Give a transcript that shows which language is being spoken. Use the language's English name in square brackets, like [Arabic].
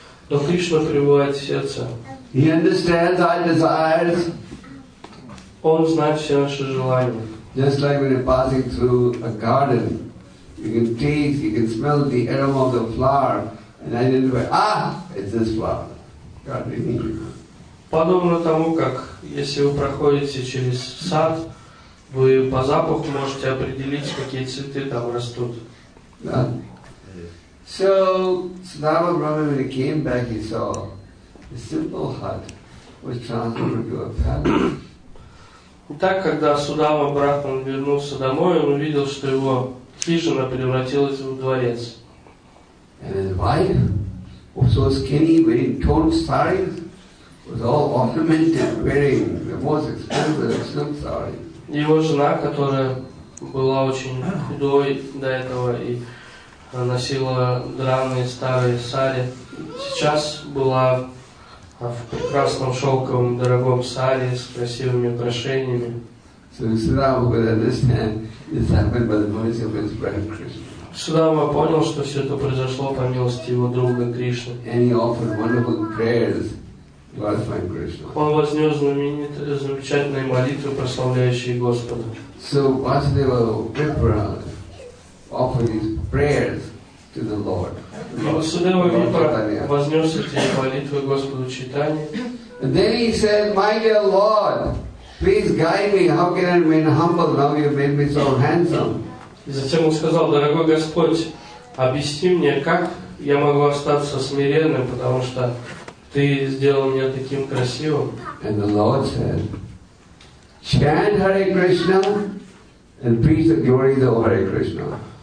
[Russian] Но Кришна пребывает в сердце. [English] He understands our desires. [Russian] Он знает все наши желания. [English] Just like when you're passing through a garden, you can taste, you can smell the aroma of the flower, and identify, it's this flower. God really needs you. [Russian] Подобно тому, как если вы проходите через сад, вы по запаху можете определить, какие цветы там растут. [English] Yeah. So Sadhava Brahmin, when he came back, he saw a simple hut was transformed into a palace. [Russian] Итак, когда Судама Брахман вернулся домой, он увидел, что его хижина превратилась в дворец. [English] And his wife, who was so skinny, wearing torn sarees, was all ornamented, wearing the most expensive silk sarees. [Russian] Его жена, которая была очень худой до этого и носила драные старые сари, сейчас была в прекрасном шелковом дорогом сари с красивыми украшениями. [English] So Sudama could understand this happened by the mercy of his friend Krishna. [Russian] Судама понял, что все это произошло по милости его друга Кришны. [English] And he offered wonderful prayers. Glorifying Krishna. [Russian] Он вознес знаменитые, замечательные молитвы, прославляющие Господа. [English] So Vasudeva Vipra offered his prayers to the Lord. [Russian] Vasudeva Vipra вознес эти молитвы Господу Чайтанье. [English] And then he said, "My dear Lord, please guide me. How can I remain humble now you've made me so handsome?" [Russian] И затем он сказал, дорогой Господь, объясни мне, как я могу остаться смиренным, потому что ты сделал меня таким красивым. [English] And the Lord said, chant Hare Krishna and preach the glory of the Hare Krishna.